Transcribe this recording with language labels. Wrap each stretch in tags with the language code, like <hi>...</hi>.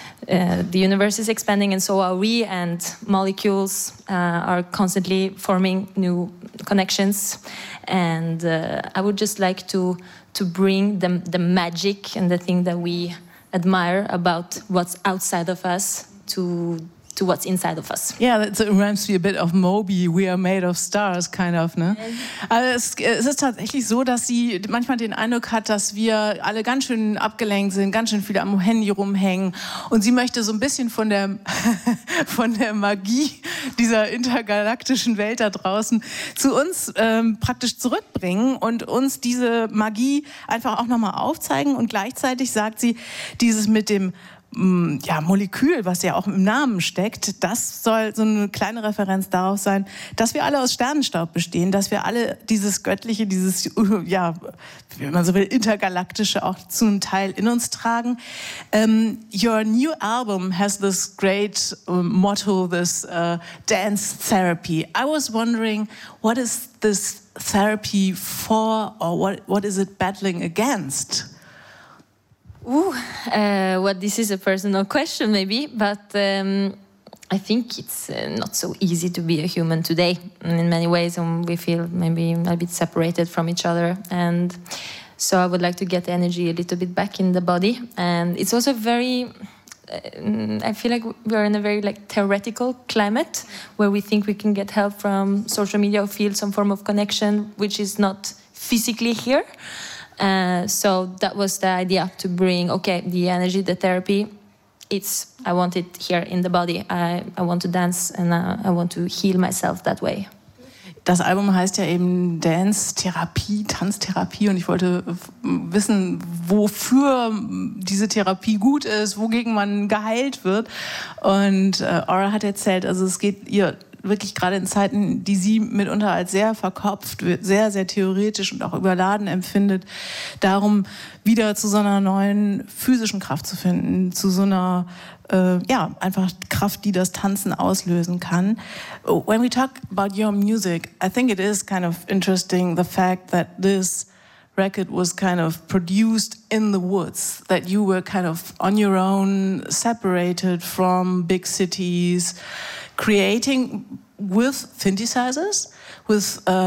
<en>The universe is expanding and so are we, and molecules are constantly forming new connections, and I would just like to bring the magic and the thing that we admire about what's outside of us to what's inside of us. Yeah, that reminds me a bit of Moby, we are made of stars, kind of, ne?</en> <de>Also es ist tatsächlich so, dass sie manchmal den Eindruck hat, dass wir alle ganz schön abgelenkt sind, ganz schön viel am Handy rumhängen, und sie möchte so ein bisschen von der Magie dieser intergalaktischen Welt da draußen zu uns praktisch zurückbringen und uns diese Magie einfach auch nochmal aufzeigen. Und gleichzeitig sagt sie, dieses mit dem ja, Molekül, was ja auch im Namen steckt, das soll so eine kleine Referenz darauf sein, dass wir alle aus Sternenstaub bestehen, dass wir alle dieses Göttliche, dieses, ja, wenn man so will, Intergalaktische auch zum Teil in uns tragen.</de> <en>Your new album has this great motto, this dance therapy. I was wondering, what is this therapy for, or what is it battling against? Well, this is a personal question, maybe, but I think it's not so easy to be a human today in many ways, and we feel maybe a bit separated from each other. And so I would like to get the energy a little bit back in the body. And it's also very, I feel like we are in a very like theoretical climate where we think we can get help from social media or feel some form of connection, which is not physically here. So that was the idea, to bring, okay, the energy, the therapy, it's, I want it here in the body. I want to dance and I want to heal myself that way.</en> <de>Das Album heißt ja eben Dance-Therapie, Tanztherapie, und ich wollte wissen, wofür diese Therapie gut ist, wogegen man geheilt wird. Und Aura hat erzählt, also es geht ihr wirklich gerade in Zeiten, die sie mitunter als sehr verkopft, sehr, sehr theoretisch und auch überladen empfindet, darum, wieder zu so einer neuen physischen Kraft zu finden, zu so einer, ja, einfach Kraft, die das Tanzen auslösen kann.</de> <en>When we talk about your music, I think it is kind of interesting, the fact that this record was kind of produced in the woods, that you were kind of on your own, separated from big cities, creating with synthesizers, with</en>